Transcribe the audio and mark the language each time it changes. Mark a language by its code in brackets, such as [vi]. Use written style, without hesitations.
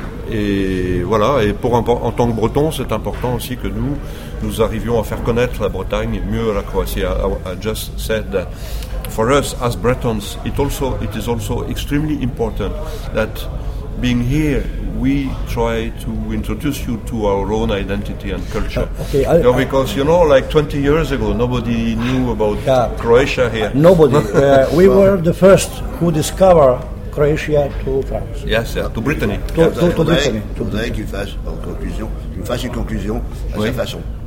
[fr] Et voilà, et pour en tant que Breton, c'est important aussi que nous arrivions à faire connaître la Bretagne mieux à la Croatie. [en] I just said that for us as Bretons, it is also extremely important that being here, we try to introduce you to our own identity and culture. Okay, because you know, like 20 years ago, nobody knew about Croatia here. Nobody. We were the first who discovered Croatia to France. Yes, yeah, to Brittany. To Brittany. [fr] Il faudrait qu'il fasse en conclusion, qu'il fasse une conclusion à sa façon.